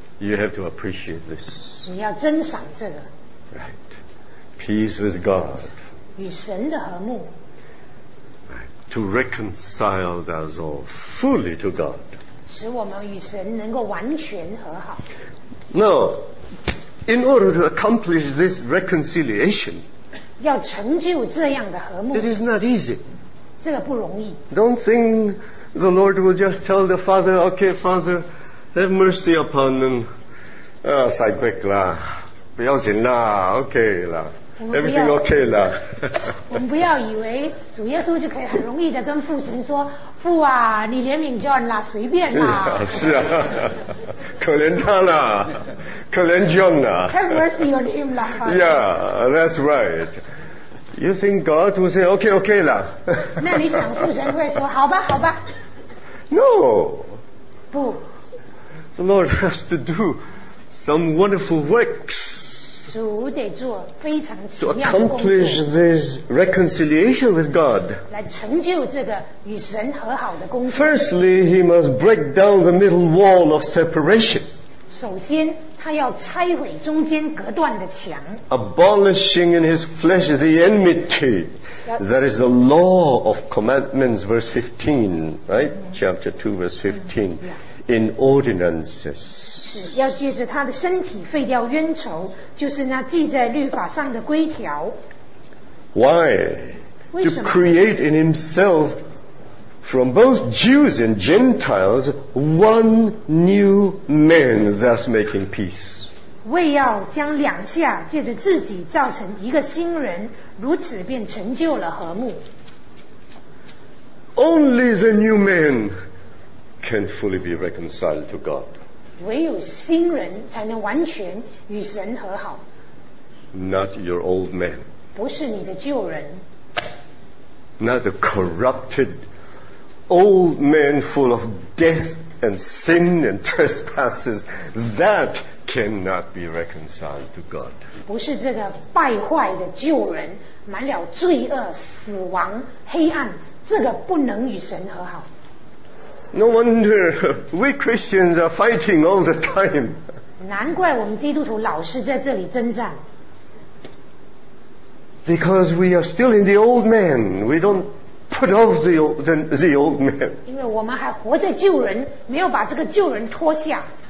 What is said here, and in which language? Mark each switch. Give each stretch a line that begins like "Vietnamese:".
English: You have to appreciate this.
Chinese: 你要珍赏这个。
English: Right. Peace with God.
Chinese: 与神的和睦。
English: Right. To reconcile us all fully to God.
Chinese: 使我们与神能够完全和好。
English: Now, in order to accomplish this reconciliation,
Chinese: 要成就这样的和睦，
English: it is not easy.
Chinese: 这个不容易。
English: Don't think the Lord will just tell the Father, okay, Father, have mercy upon them.
Chinese: Sai
English: quick
Chinese: la, 不要紧啦 ，okay 啦 ，
English: everything okay
Chinese: 啦。我们不要以为主耶稣就可以很容易的跟父神说。父啊，你怜悯 John 啦，随便啦。啊是啊，可怜他啦，可怜 John 啦。
English: Have mercy on him
Chinese: 啦。
English: Yeah, that's right. You think God will say okay, okay 啦？
Chinese: 那你想父神会说好吧，好吧
English: ？No.
Chinese: 不。
English: The Lord has to do some wonderful works.
Chinese: 主得做非常奇妙的工作。
English: To accomplish this reconciliation with God.
Chinese: 来成就这个与神和好的工作。
English: Firstly, he must break down the middle wall of separation.
Chinese: 首先他要拆毁中间隔断的墙。
English: Abolishing in his flesh the enmity. That is the law of commandments, verse 15, right? Chapter 2, verse 15. In ordinances.
Chinese: 是要借着他的身体废掉冤仇，就是那记在律法上的规条。
English: Why? To create in himself from both Jews and Gentiles one new man, thus making peace.
Chinese: 为要将两下借着自己造成一个新人，如此便成就了和睦。
English: Only the new man can fully be reconciled to God.
Chinese: 唯有新人才能完全与神和好。
English: Not your old man.
Chinese: 不是你的旧人。
English: Not a corrupted old man full of death and sin and trespasses that cannot be reconciled to God.
Chinese: 不是这个败坏的旧人，满了罪恶、死亡、黑暗，这个不能与神和好。
English: No wonder we Christians are fighting all the time.
Chinese: 难怪我们基督徒老是在这里征战。
English: Because we are still in the old man, we don't put off the old man.
Chinese: 因为我们还活在旧人，没有把这个旧人脱下。